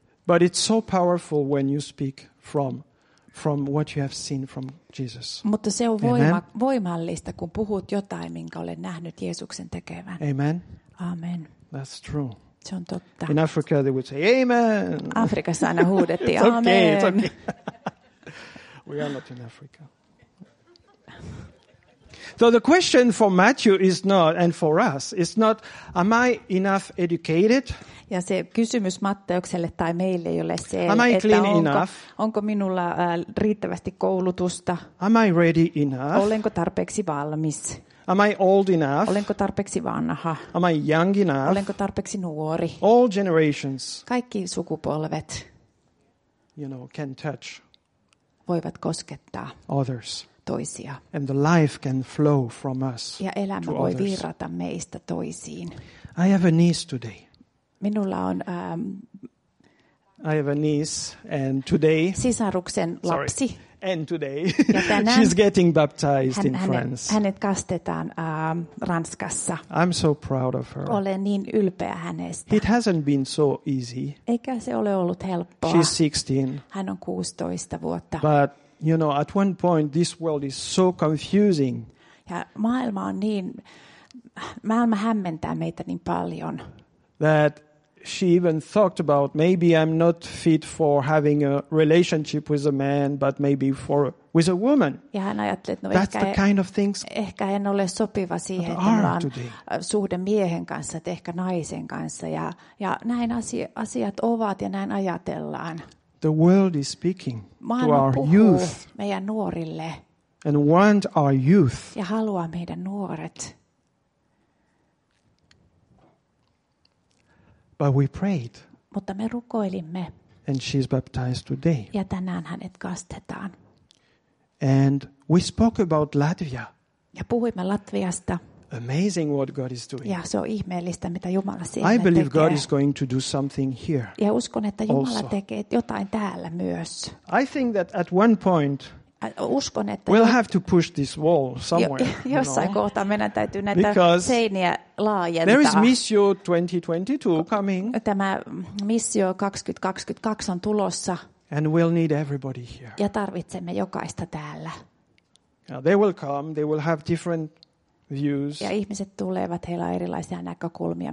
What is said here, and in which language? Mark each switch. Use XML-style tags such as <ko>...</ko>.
<en>But it's so powerful when you speak from what you have seen from Jesus.</en> <fi>Mutta se on voimallista, kun puhut jotain, minkä olen nähnyt Jeesuksen tekevän.</fi> <en>Amen. Amen. That's true.</en> <fi>Se on totta.</fi> <en>In Africa they would say amen.</en> <fi>Afrikassa aina huudettiin amen.</fi> <en>Okay, it's okay. We are not in Africa. So the question for Matthew is not, and for us, it's not, am I enough educated?</en> <fi>Ja se kysymys Matteukselle tai meille ei ole se,</fi> <en>am I clean</en> <fi>että onko minulla riittävästi koulutusta?</fi> <en>Am I ready enough?</en> <fi>Olenko tarpeeksi valmis?</fi> <en>Am I old enough?</en> <fi>Olenko tarpeeksi vanha?</fi> <en>Am I young enough?</en> <fi>Olenko tarpeeksi nuori?</fi> <en>All generations.</en> <fi>Kaikki sukupolvet.</fi> <en>You know, can touch.</en> <fi>Voivat koskettaa.</fi> <en>Others.</en> <fi>Toisia.</fi> <en>And the life can flow from us.</en> <fi>Ja elämä voi virrata meistä toisiin.</fi> <en>I have a niece today.</en> <fi>Minulla on</fi> <en>I have a niece and today.</en> <fi>Sisaruksen lapsi.</fi> <en>Sorry. And today she's getting baptized in France.</en> <fi>Hänet kastetaan Ranskassa.</fi> <en>I'm so proud of her.</en> <fi>Olen niin ylpeä hänestä.</fi> <en>It hasn't been so easy.</en> <fi>Eikä se ole ollut helppoa.</fi> <en>She's 16.</en> <fi>Hän on 16 vuotta.</fi> <en>But you know, at one point this world is so confusing.</en> <fi>Ja maailma on niin, maailma hämmentää meitä niin paljon.</fi> <en>That she even talked about maybe I'm not fit for having a relationship with a man, but maybe for with a woman.</en> <fi>Ja hän ajatteli, no</fi> <en>that's the kind of things.</en> <fi>Ehkä en ole sopiva siihen, että suhde miehen kanssa, että ehkä naisen kanssa, ja näin asiat ovat ja näin ajatellaan.</fi> <en>The world is speaking</en> <fi>maailma</fi> <en>to our youth.</en> <fi>Meidän nuorille.</fi> <en>And want our youth.</en> <fi>Ja haluaa meidän nuoret.</fi> <en>But we prayed.</en> <fi>Mutta me rukoilimme.</fi> <en>And she's baptized today.</en> <fi>Ja tänään hänet kastetaan.</fi> <en>And we spoke about Latvia.</en> <fi>Ja puhuimme Latviasta.</fi> <en>Amazing what God is doing.</en> <fi>Ja se on ihmeellistä, mitä Jumala siinä tekee.</fi> <en>I believe God is going to do something here.</en> <fi>Ja uskon, että Jumala tekee jotain täällä myös.</fi> <en>I think that at one point</en> <fi>uskon, että</fi> <en>we'll have to push this wall somewhere.</en> <fi>Jossain kohtaa meidän täytyy näitä seiniä laajentaa.</fi> <en>There is Missio 2022 coming.</en> <fi>Tämä Missio 2022 on tulossa.</fi> <en>And we'll need everybody here.</en> <fi>Ja tarvitsemme jokaista täällä.</fi> <en>Now they will come, they will have different views.</en> <fi>Ja ihmiset tulevat, heillä on erilaisia näkökulmia.</fi>